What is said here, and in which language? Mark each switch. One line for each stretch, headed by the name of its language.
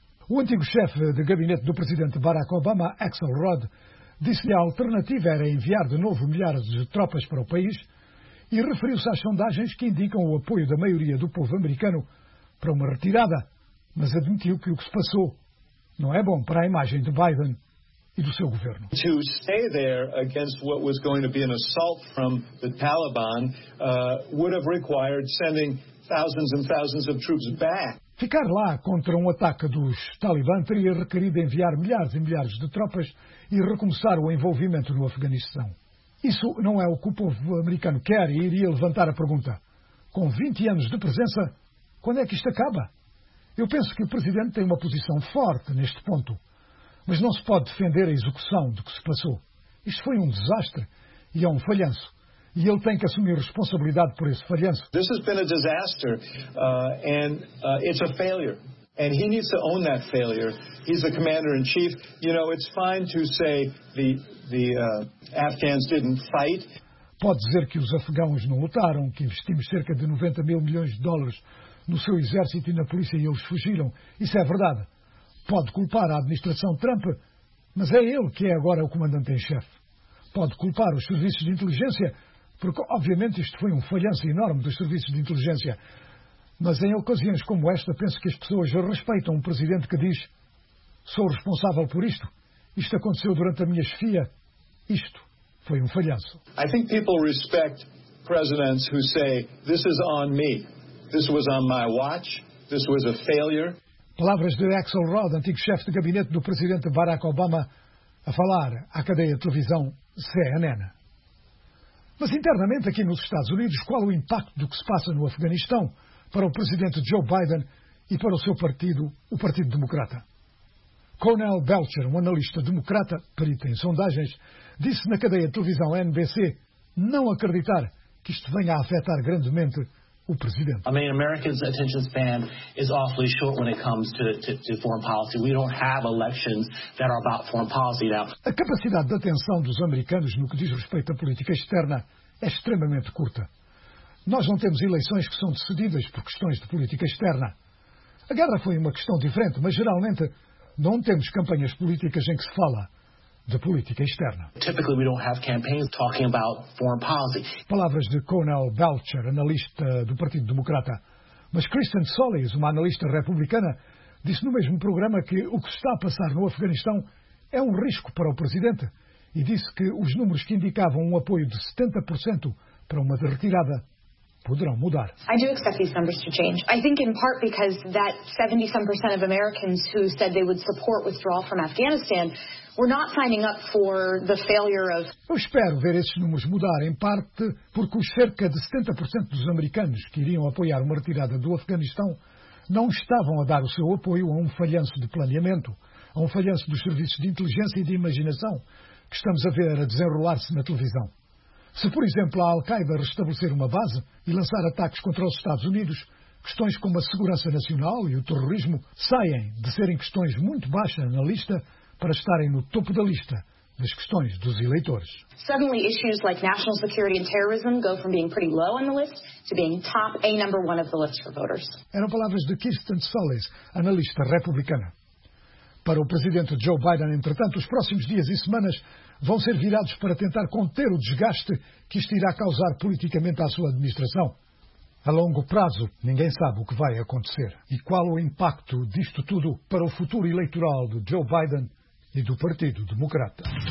Portuguese: O antigo chefe de gabinete do presidente Barack Obama, Axelrod, disse que a alternativa era enviar de novo milhares de tropas para o país e referiu-se às sondagens que indicam o apoio da maioria do povo americano para uma retirada, mas admitiu que o que se passou não é bom para a imagem de Biden e do seu governo.
English: To stay there against what was going to be an assault from the Taliban would have required sending thousands and thousands of troops back.
Portuguese: Ficar lá contra um ataque dos talibã teria requerido enviar milhares e milhares de tropas e recomeçar o envolvimento no Afeganistão. Isso não é o que o povo americano quer e iria levantar a pergunta. Com 20 anos de presença, quando é que isto acaba? Eu penso que o presidente tem uma posição forte neste ponto. Mas não se pode defender a execução do que se passou. Isto foi um desastre e é um falhanço. E ele tem que assumir responsabilidade por esse falhanço.
English: This has been a disaster and it's a failure. And he needs to own that failure. He's the commander in chief. You know, it's fine to say the Afghans didn't fight.
Portuguese: Pode dizer que os afegãos não lutaram, que investimos cerca de 90 mil milhões de dólares no seu exército e na polícia e eles fugiram. Isso é verdade. Pode culpar a administração Trump, mas é ele que é agora o comandante em chefe. Pode culpar os serviços de inteligência, porque obviamente isto foi um falhanço enorme dos serviços de inteligência. Mas em ocasiões como esta, penso que as pessoas respeitam um presidente que diz: sou responsável por isto. Isto aconteceu durante a minha chefia Isto foi um falhanço.
English: I think people respect presidents who say this is on me. This was on my watch. This was a failure.
Portuguese: Palavras de Axelrod, antigo chefe de gabinete do presidente Barack Obama, a falar à cadeia de televisão CNN. Mas internamente aqui nos Estados Unidos, qual o impacto do que se passa no Afeganistão para o presidente Joe Biden e para o seu partido, o Partido Democrata? Cornel Belcher, um analista democrata, perito em sondagens, disse na cadeia de televisão NBC não acreditar que isto venha a afetar grandemente o presidente.
English: I mean, Americans' attention span is awfully short when it comes to foreign policy. We don't have elections that are about foreign policy now.
Portuguese: A capacidade de atenção dos americanos no que diz respeito à política externa é extremamente curta. Nós não temos eleições que são decididas por questões de política externa. A guerra foi uma questão diferente, mas geralmente não temos campanhas políticas em que se fala de política externa.
English: Typically we don't have campaigns talking about foreign policy.
Portuguese: Palavras de Cornel Belcher, analista do Partido Democrata. Mas Kristen Solis, uma analista republicana, disse no mesmo programa que o que está a passar no Afeganistão é um risco para o presidente e disse que os números que indicavam um apoio de 70% para uma retirada poderão mudar.
English: I do expect these numbers to change. I think in part because that 70-some% of Americans who said they would support withdrawal from Afghanistan were not signing up for the failure of...
Portuguese: Eu espero ver esses números mudar, em parte porque os cerca de 70% dos americanos que iriam apoiar uma retirada do Afeganistão não estavam a dar o seu apoio a um falhanço de planeamento, a um falhanço dos serviços de inteligência e de imaginação que estamos a ver a desenrolar-se na televisão. Se, por exemplo, a Al-Qaeda restabelecer uma base e lançar ataques contra os Estados Unidos, questões como a segurança nacional e o terrorismo saem de serem questões muito baixas na lista para estarem no topo da lista das questões dos eleitores.
English: Suddenly, issues like national security and terrorism go from being pretty low on the list to being top A number one of the list for voters.
Portuguese: Eram palavras de Kirsten Solis, analista republicana. Para o presidente Joe Biden, entretanto, os próximos dias e semanas vão ser virados para tentar conter o desgaste que isto irá causar politicamente à sua administração. A longo prazo, ninguém sabe o que vai acontecer. E qual o impacto disto tudo para o futuro eleitoral de Joe Biden e do Partido Democrata?